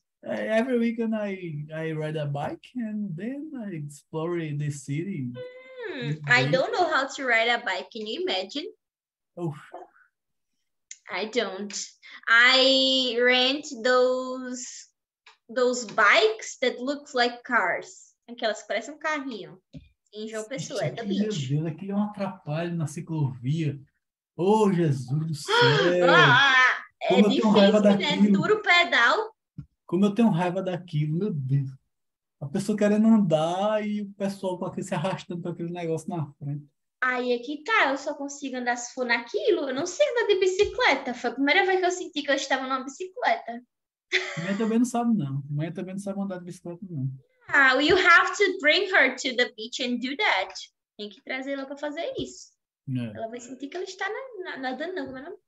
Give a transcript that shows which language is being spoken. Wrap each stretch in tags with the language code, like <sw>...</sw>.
<en>Every weekend I ride a bike and then I explore the city. I don't know how to ride a bike. Can you imagine? Oh. I don't. I rent those bikes that look like cars.</en> <pt>Aquelas que parecem carrinho. Em João Pessoa, da beach. Meu Deus, aqui é um atrapalho na ciclovia. Oh, Jesus do céu. Ah, é difícil, raiva daquilo. Né? Duro pedal. Como eu tenho raiva daquilo, meu Deus. A pessoa querendo andar e o pessoal com aquele, se arrastando para aquele negócio na frente. Aí é que tá, eu só consigo andar se for naquilo. Eu não sei andar de bicicleta. Foi a primeira vez que eu senti que eu estava numa bicicleta. Mãe também não sabe, não. Mãe também não sabe andar de bicicleta, não.</pt> <en>Ah, you have to bring her to the beach and do that.</en> <pt>Tem que trazer ela para fazer isso.</pt> <en>Yeah.</en> <pt>Ela vai sentir que ela está nadando, né?</pt>